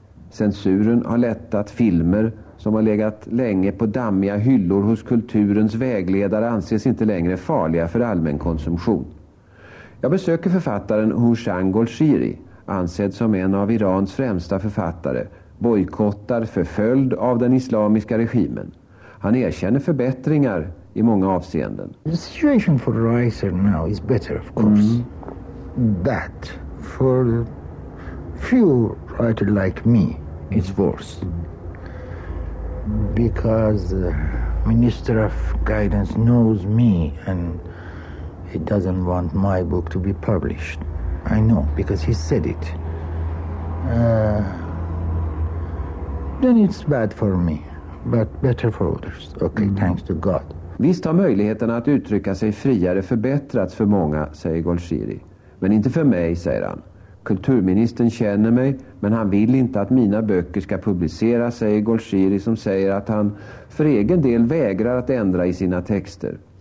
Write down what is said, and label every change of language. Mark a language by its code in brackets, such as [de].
[sv] Censuren har lättat, filmer som har legat länge på dammiga hyllor hos kulturens vägledare anses inte längre farliga för allmän konsumtion. Jag besöker författaren Hoshang Golshiri, ansedd som en av Irans främsta författare, bojkottad, förföljd av den islamiska regimen. Han erkänner förbättringar i många avseenden. [en] The situation for writer now is better, of course. But for few writer like me, it's worse. Because the Minister of Guidance knows me and he doesn't want my book to be published. I know, because he said it. Then it's bad for me, but better for others. Okay, thanks to God. [sv] Visst har möjligheten att uttrycka sig friare förbättrats för många, säger Golshiri. Men inte för mig, säger han. Kulturministern känner mig, men han vill inte att mina böcker ska publiceras, säger Golshiri, som säger att han för egen del vägrar att ändra i sina texter.